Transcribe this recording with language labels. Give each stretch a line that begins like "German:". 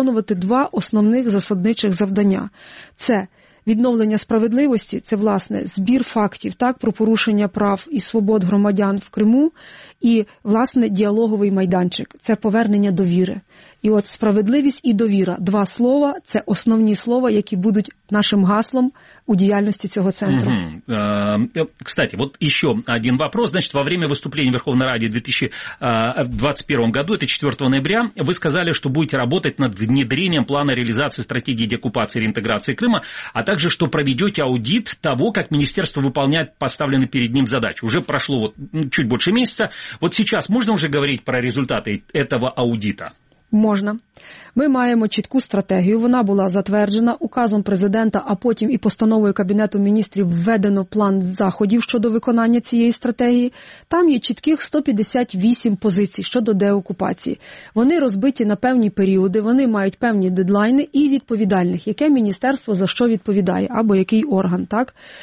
Ukrainian: виконувати два основних засадничих завдання. Це відновлення справедливості, це, власне, збір фактів, так, про порушення прав і свобод громадян в Криму, і, власне, діалоговий майданчик, це повернення довіри. І от справедливість і довіра, два слова, це основні слова, які будуть нашим гаслом у діяльності цього центру.
Russian: Кстати, вот еще один вопрос. Значит, во время выступления в Верховной Раде в 2021 году, это 4 ноября, вы сказали, что будете работать над внедрением плана реализации стратегии деоккупации и реинтеграции Крыма, а также, что проведете аудит того, как министерство выполняет поставленные перед ним задачи. Уже прошло вот чуть больше месяца. Вот сейчас можно уже говорить про результаты этого аудита?
Ukrainian: Можна. Ми маємо чітку стратегію, вона була затверджена указом президента, а потім і постановою Кабінету міністрів введено план заходів щодо виконання цієї стратегії. Там є чітких 158 позицій щодо деокупації. Вони розбиті на певні періоди, вони мають певні дедлайни і відповідальних, яке міністерство за що відповідає, або який орган. Так?